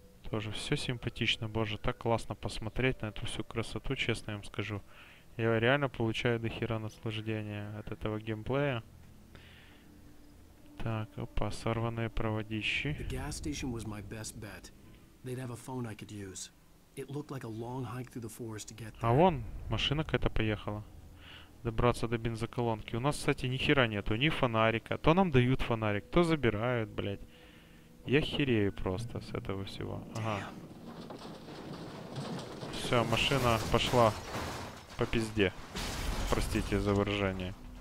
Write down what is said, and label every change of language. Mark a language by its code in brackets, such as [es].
[ru] Тоже все симпатично, боже, так классно посмотреть на эту всю красоту, честно вам скажу. Я реально получаю дохера наслаждения от этого геймплея. Так, опа, сорванные проводищи. [en] The gas station was my best bet. They'd have a phone I could use. It looked like a long hike through the forest to get there. [ru] А вон, машина какая-то поехала. Добраться до бензоколонки. У нас, кстати, нихера нету, ни фонарика. То нам дают фонарик, то забирают, блядь. Я херею просто с этого всего. Ага. Все, машина пошла по пизде. Простите за выражение.